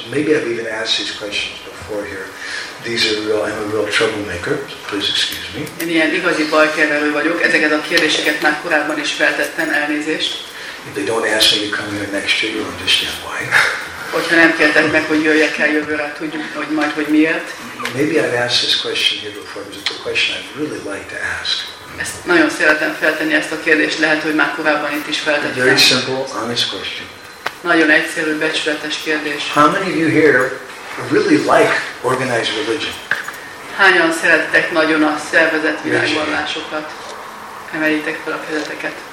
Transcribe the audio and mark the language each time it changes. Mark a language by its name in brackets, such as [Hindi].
[English] Maybe I've even asked these questions before here. These are real, I'm a real troublemaker. Please excuse me. [Hungarian] Én ilyen igazi bajkerülő vagyok. Ezeket a kérdéseket már korábban is feltettem, elnézést. [English] If they don't ask me to come here next year, you'll understand why. [Hungarian] Hogyha nem kértek meg, hogy jöjjek el jövőre, tudjuk, hogy majd, hogy miért. [English] Maybe I've asked this question here before, but it's a question I'd really like to ask. [Hungarian] Ezt nagyon szeretem feltenni ezt a kérdést, lehet, hogy már korábban itt is feltettem. [English] Very simple, honest question. [Hungarian] Nagyon egyszerű, becsületes kérdés. [English] How many of you here really like organized religion? [Hungarian] Hányan szerettek nagyon a szervezett világvallásokat? Emeljétek fel a kezeteket.